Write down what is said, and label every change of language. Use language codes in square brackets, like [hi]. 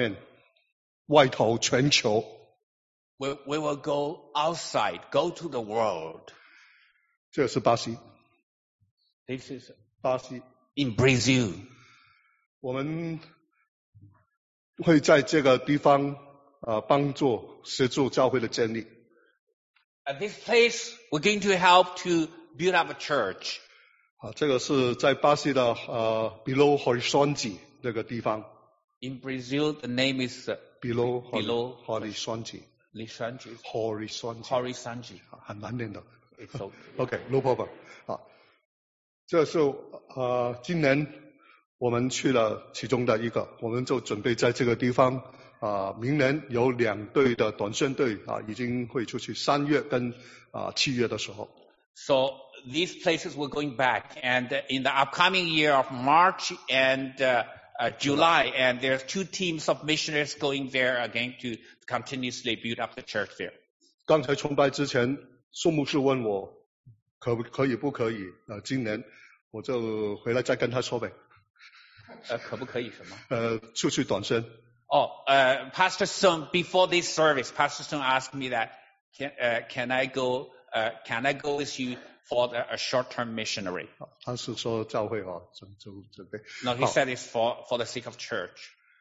[zh] 我们也在外面，外头全球。 [en] We will go outside, go to the world. [zh] 这是巴西。 [en] This is [zh] 巴西。 [en] In Brazil. [zh] 我们。会在这个地方, 帮助, 协助教会的建立。 [en] At this place, we're going to help to build up a church. [zh] 啊, 这个是在巴西的, Belo Horizonte 那个地方。 [en] In Brazil, the name is Belo Horizonte. [zh] Horizonte. 很难念的。 [en] It's okay. Okay, no problem. [zh] 啊, 这是, 今年, 我们去了其中的一个，我们就准备在这个地方，明年有两队的短宣队，已经会出去三月跟七月的时候。 [en] So these places we're going back, and in the upcoming year of March and July, and there's two teams of missionaries going there again to continuously build up the church there. [zh] 刚才崇拜之前，宋牧师问我，可不可以不可以？今年我就回来再跟他说呗。可不可以什么？出去短宣。 [en] Oh, Pastor Song, before this service, Pastor Song asked me that, can I go with you for a short-term missionary? [zh] 他是说教会哦，准备。 [en] No, he said it's for the sake of church.